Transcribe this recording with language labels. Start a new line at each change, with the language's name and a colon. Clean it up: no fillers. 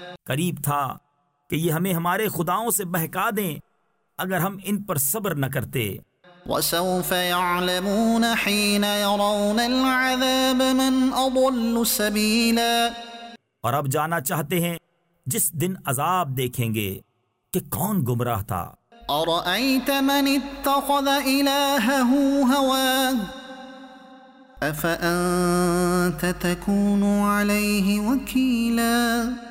Urdu: قریب تھا کہ یہ ہمیں ہمارے خداؤں سے بہکا دیں اگر ہم ان پر صبر نہ کرتے.
Arabic: وسوف يعلمون حين يرون العذاب من أضل سبيلا.
Urdu: اور اب جانا چاہتے ہیں جس دن عذاب دیکھیں گے کہ کون گمراہ تھا.
Arabic: أَرَأَيْتَ مَنِ اتَّخَذَ إِلَٰهَهُ هَوَاهُ أَفَأَنْتَ تَكُونُ عَلَيْهِ وَكِيلًا.